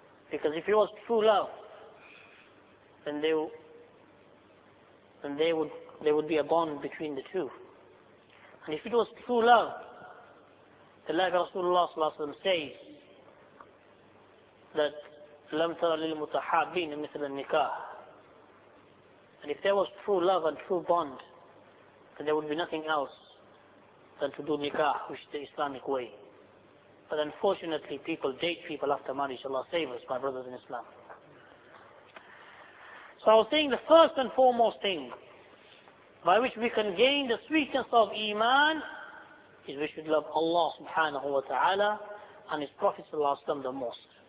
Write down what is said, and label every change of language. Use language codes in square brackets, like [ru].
[en] Because if it was true love, then there would be a bond between the two. And if it was true love, then like Rasulullah says, that [ar] لم تر للمتحابين مثل النكاح. [en] And if there was true love and true bond, then there would be nothing else than to do nikah, which is the Islamic way. But unfortunately, people date people after marriage. Allah save us, my brothers in Islam. So I was saying the first and foremost thing by which we can gain the sweetness of Iman is we should love Allah subhanahu wa ta'ala and His Prophet sallallahu alayhi wa sallam the most.